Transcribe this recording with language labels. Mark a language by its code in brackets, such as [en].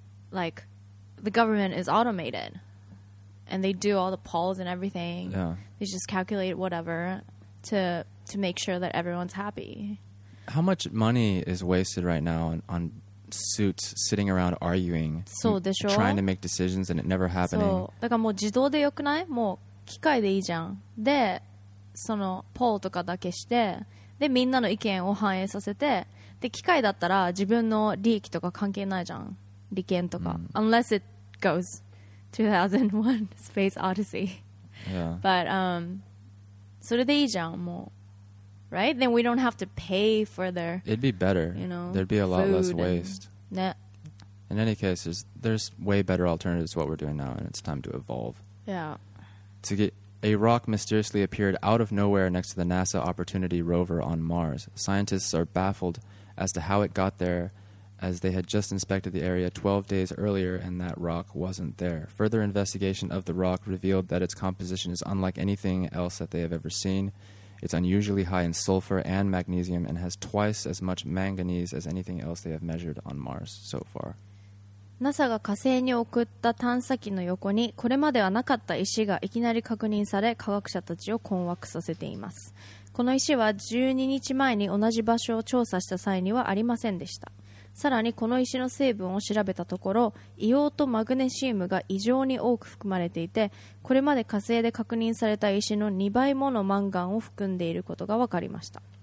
[en] Like, the government is automated. And they do all the polls and everything. Yeah. They just calculate whatever to make sure that everyone's happy. How much money is wasted right now on suits sitting around arguing, [ja] そうでしょ? [en] trying to make decisions and it never happening. [ja] そう。だからもう自動でよくない?もう機械でいいじゃん。で、そのポーとかだけして、で、みんなの意見を反映させて、で、機械だったら自分の利益とか関係ないじゃん。利権とか。 [en] Unless it goes 2001 Space Odyssey. Yeah. But, [ja] それでいいじゃん、もう。 [en] Right? Then we don't have to pay for their food. It'd be better. You know, there'd be a lot less waste. In any case, there's way better alternatives to what we're doing now, and it's time to evolve. Yeah. To get a rock mysteriously appeared out of nowhere next to the NASA Opportunity rover on Mars. Scientists are baffled as to how it got there, as they had just inspected the area 12 days earlier and that rock wasn't there. Further investigation of the rock revealed that its composition is unlike anything else that they have ever seen. It's unusually high in sulfur and magnesium and has twice as much manganese as anything else they have measured on Mars so far. [ja] NASA が火星に送った探査機の横にこれまではなかった石がいきなり確認され科学者たちを困惑させています。この石は12日前に同じ場所を調査した際にはありませんでした。さらにこの石の成分を調べたところ、硫黄とマグネシウムが異常に多く含まれていて、これまで火星で確認された石の2倍ものマンガンを含んでいることが分かりました。